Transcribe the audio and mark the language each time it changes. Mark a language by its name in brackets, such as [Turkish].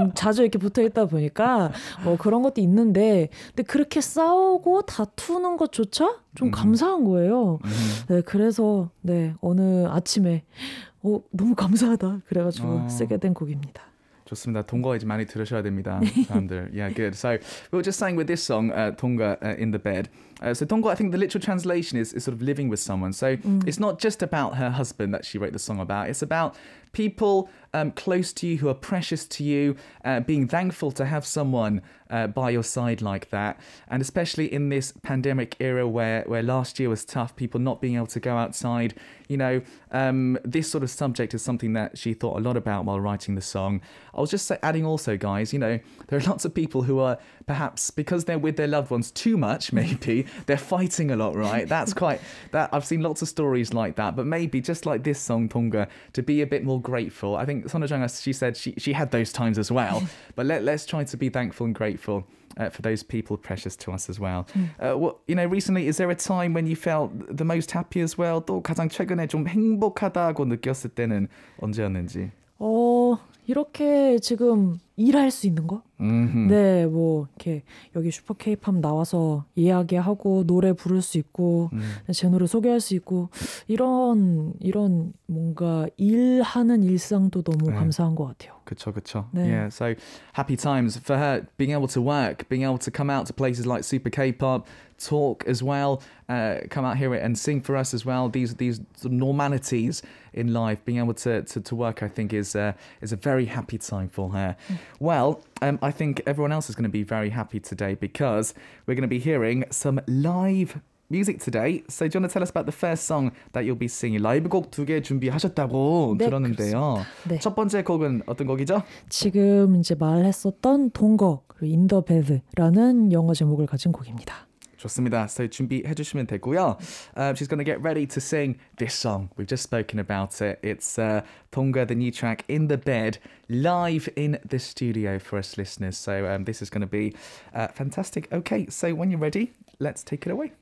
[Korean] 자주 이렇게 붙어 있다 보니까 뭐 그런 것도 있는데, 근데 그렇게 싸우고 다투는 것조차 좀 감사한 거예요. 네, 그래서 네 어느 아침에 너무 감사하다 그래가지고 쓰게 된 곡입니다. 좋습니다. 동거 이제 많이 들으셔야 됩니다, 사람들. [English] Yeah, good. So we were just saying with this song, Tonga in the Bed. So Tonga, I think the literal translation is sort of living with someone. So it's not just about her husband that she wrote the song about. It's about people close to you who are precious to you, being thankful to have someone by your side like that. And especially in this pandemic era where last year was tough, people not being able to go outside, you know, this sort of subject is something that she thought a lot about while writing the song. I was just adding also, guys, you know, there are lots of people who are perhaps because they're with their loved ones too much, maybe they're fighting a lot, right? That's quite that. I've seen lots of stories like that. But maybe just like this song, Tonga, to be a bit more grateful. I think Sunwoojunga, she said she had those times as well. But let's try to be thankful and grateful for those people precious to us as well. Well, you know, recently, is there a time when you felt the most happy as well? [Korean] 또 가장 최근에 좀 행복하다고 느꼈을 때는 언제였는지? 이렇게 지금 일할 수 있는 거? Mm-hmm. 네, 뭐 이렇게 여기 슈퍼 케이팝 나와서 이야기하고 노래 부를 수 있고 제 노래 소개할 수 있고 이런 뭔가 일하는 일상도 너무 감사한 것 같아요. 그쵸. 네. [English] Yeah, so happy times for her being able to work, being able to come out to places like Super K-pop, talk as well, come out here and sing for us as well. These normalities in life, being able to work, I think is a very happy time for her. Well, I think everyone else is going to be very happy today because we're going to be hearing some live music today. So do you want to tell us about the first song that you'll be singing? [Korean] 라이브 곡 두 개 준비하셨다고 네, 들었는데요. 네. 첫 번째 곡은 어떤 곡이죠? 지금 이제 말했었던 동곡, In the Bed라는 영어 제목을 가진 곡입니다. 좋습니다. So 준비해 주시면 되고요. [English] She's going to get ready to sing this song. We've just spoken about it. It's Tonga, the new track, In the Bed, live in the studio for us listeners. So this is going to be fantastic. Okay, so when you're ready, let's take it away.